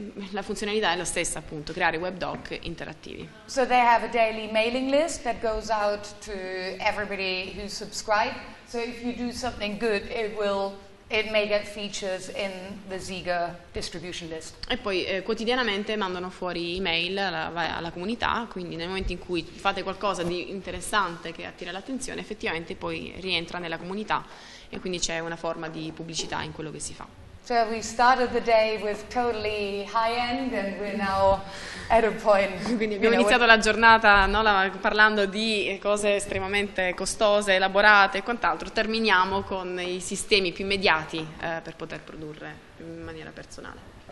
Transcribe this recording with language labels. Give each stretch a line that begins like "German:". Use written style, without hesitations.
Italian: La funzionalità è la stessa, appunto, creare web doc interattivi.
English: So they have a daily mailing list that goes out to everybody who subscribe. So if you do something good, it may get features in the Ziga distribution list.
Italian: E poi quotidianamente mandano fuori email alla comunità, quindi nel momento in cui fate qualcosa di interessante che attira l'attenzione, effettivamente poi rientra nella comunità e quindi c'è una forma di pubblicità in quello che si fa.
English: So we started the day with totally high end and we're now at a point.
Italian: Quindi abbiamo iniziato la giornata, no, parlando di cose estremamente costose, elaborate e quant'altro. Terminiamo con i sistemi più immediati per poter produrre in maniera personale.